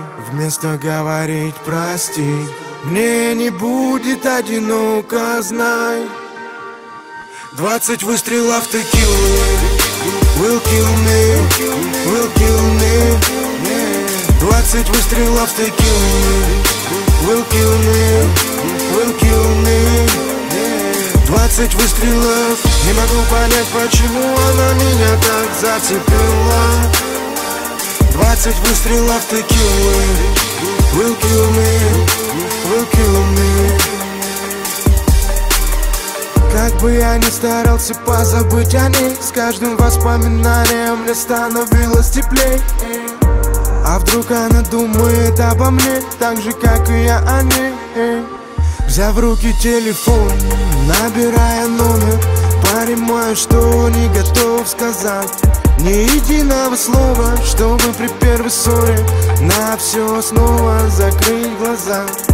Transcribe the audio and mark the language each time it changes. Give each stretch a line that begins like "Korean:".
Russian: Вместо говорить прости, мне не будет одиноко, знай. 20 выстрелов ты килл.
English: Will kill me, will kill me.
Russian: 20 выстрелов ты килл.
English: Will kill me, will kill me.
Russian: 20 выстрелов. Не могу понять, почему она меня так зацепила. 20 выстрелов ты килл.
English: Will kill me, will kill me.
Russian: Как бы я ни старался позабыть о ней, с каждым воспоминанием мне становилось теплей. А вдруг она думает обо мне так же, как и я о ней. Взяв в руки телефон, набирая номер, понимаю, что не готов сказать ни единого слова, чтобы при первой ссоре на все снова закрыть глаза.